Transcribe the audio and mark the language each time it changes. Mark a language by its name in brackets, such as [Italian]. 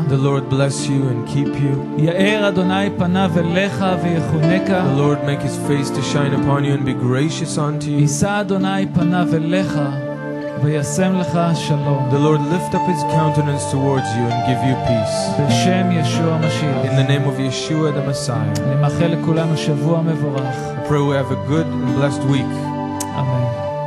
[English] The Lord bless you and keep you. [Hebrew] יאר אדוני פניו אליך ויחונך. [English] The Lord make his face to shine upon you and be gracious unto you. [Hebrew] ישא אדוני פניו אליך וישם לך שלום. [English] The Lord lift up his countenance towards you and give you peace. [Hebrew] בשם ישוע המשיח. [English] In the name of Yeshua the Messiah. [Hebrew] אני מאחל לכולנו שבוע מבורך. [English] I pray we have a good and blessed week.